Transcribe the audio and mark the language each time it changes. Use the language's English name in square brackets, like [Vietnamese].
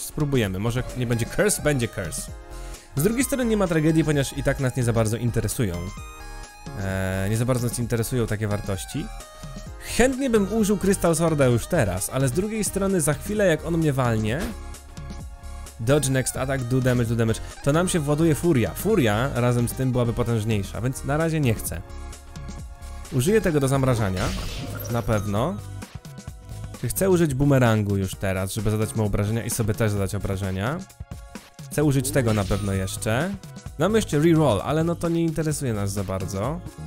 [Polish] Spróbujemy, może nie będzie curse, będzie curse. Z drugiej strony nie ma tragedii, ponieważ i tak nas nie za bardzo interesują. Nie za bardzo nas interesują takie wartości. Chętnie bym użył Crystal Sworda już teraz, ale z drugiej strony za chwilę jak on mnie walnie... [English] Dodge next attack, do damage. [Polish] To nam się właduje furia. Furia razem z tym byłaby potężniejsza, więc na razie nie chcę. Użyję tego do zamrażania. Na pewno. Czy chcę użyć bumerangu już teraz, żeby zadać mu obrażenia i sobie też zadać obrażenia. Chcę użyć tego na pewno jeszcze. Mam jeszcze reroll, ale no to nie interesuje nas za bardzo.